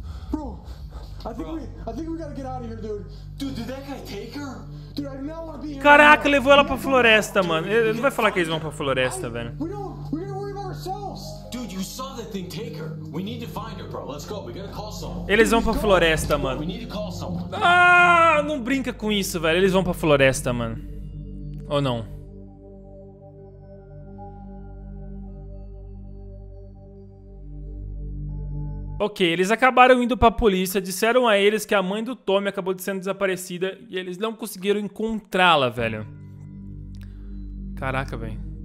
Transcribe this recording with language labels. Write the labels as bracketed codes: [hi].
[en] Bro, I think we gotta get out of here, dude. Dude, did that guy take her? Dude, I do not wanna be here. [pt] Caraca, levou ela pra floresta, mano. Ele não vai falar que eles vão pra floresta, velho. [en] We're gonna worry about ourselves. Dude, you saw that thing take her. We need to find her, bro. Let's go. We gotta call someone. [pt] Eles vão pra floresta, mano. [en] We need to call someone. [pt] Ah, não brinca com isso, velho. Eles vão pra floresta, mano. Ou não? Ok, eles acabaram indo pra polícia, disseram a eles que a mãe do Tommy acabou de sendo desaparecida e eles não conseguiram encontrá-la, velho. Caraca, velho.